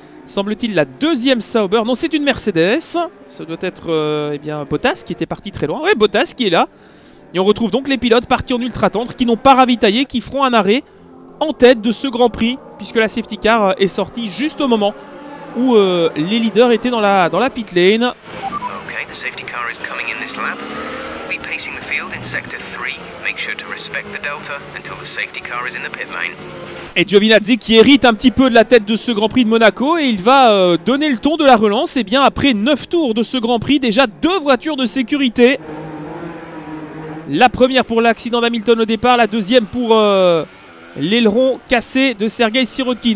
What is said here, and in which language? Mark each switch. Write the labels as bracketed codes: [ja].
[fr] semble-t-il, la deuxième Sauber. Non, c'est une Mercedes. Ça doit être Bottas qui était parti très loin. Ouais, Bottas qui est là. Et on retrouve donc les pilotes partis en ultra-tendre qui n'ont pas ravitaillé, qui feront un arrêt en tête de ce Grand Prix puisque la safety car est sortie juste au moment où les leaders étaient dans la pit lane. [en] Okay, the safety car is coming in this lap. We pacing the field in sector 3. Make sure to respect the delta until the safety car is in the pit lane. [fr] Et Giovinazzi qui hérite un petit peu de la tête de ce Grand Prix de Monaco et il va donner le ton de la relance. Et bien après 9 tours de ce Grand Prix, déjà 2 voitures de sécurité. La première pour l'accident d'Hamilton au départ, la deuxième pour l'aileron cassé de Sergei Sirotkin.